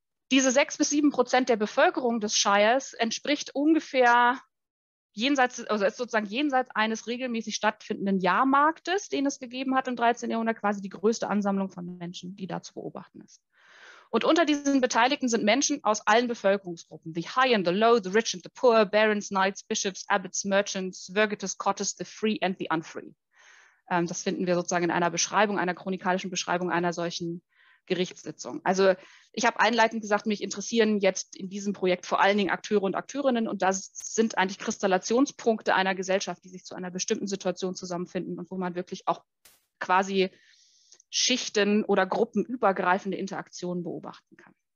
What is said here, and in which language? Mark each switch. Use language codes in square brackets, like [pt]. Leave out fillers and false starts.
[de] Diese 6 bis 7% der Bevölkerung des Shires entspricht ungefähr jenseits, also ist sozusagen jenseits eines regelmäßig stattfindenden Jahrmarktes, den es gegeben hat im 13. Jahrhundert, quasi die größte Ansammlung von Menschen, die da zu beobachten ist. Und unter diesen Beteiligten sind Menschen aus allen Bevölkerungsgruppen. [en] The high and the low, the rich and the poor, barons, knights, bishops, abbots, merchants, virgates, cottes, the free and the unfree. [de] Das finden wir sozusagen in einer Beschreibung, einer chronikalischen Beschreibung einer solchen Gerichtssitzung. Also ich habe einleitend gesagt, mich interessieren jetzt in diesem Projekt vor allen Dingen Akteure und Akteurinnen, und das sind eigentlich Kristallationspunkte einer Gesellschaft, die sich zu einer bestimmten Situation zusammenfinden und wo man wirklich auch quasi Schichten oder gruppenübergreifende Interaktionen beobachten kann.